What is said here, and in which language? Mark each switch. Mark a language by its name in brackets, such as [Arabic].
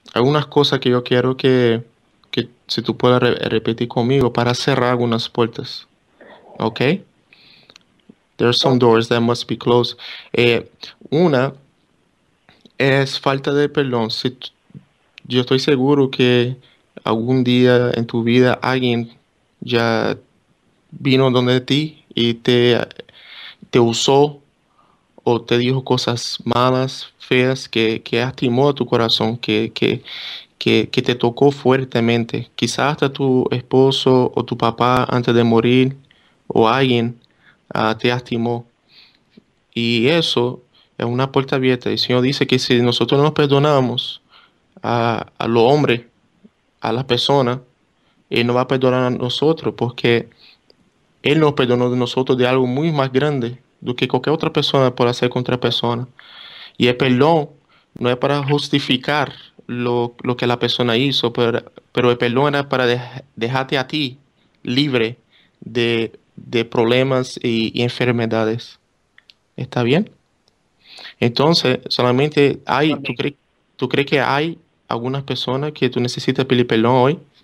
[Spanish] Algunas cosas que yo quiero que si tú puedas repetir conmigo para cerrar algunas puertas. [English] Okay? There are some doors that must be closed. [Spanish] Una es falta de perdón. Si yo estoy seguro que algún día en tu vida alguien ya vino donde ti y te usó o te dijo cosas malas, feas, que lastimó a tu corazón, que te tocó fuertemente. Quizás hasta tu esposo o tu papá antes de morir, o alguien te lastimó. Y eso es una puerta abierta. El Señor dice que si nosotros nos perdonamos a los hombres, a las personas, Él no va a perdonar a nosotros, porque Él nos perdonó de nosotros de algo muy más grande [Portuguese] do que qualquer outra pessoa pode fazer contra a pessoa. E o perdão não é para justificar o que a pessoa fez, mas o perdão era para deixar-te a ti livre de problemas e enfermidades. Está bem? Então, somente há... Tu crees que há algumas pessoas que tu necessitas pedir perdão hoje?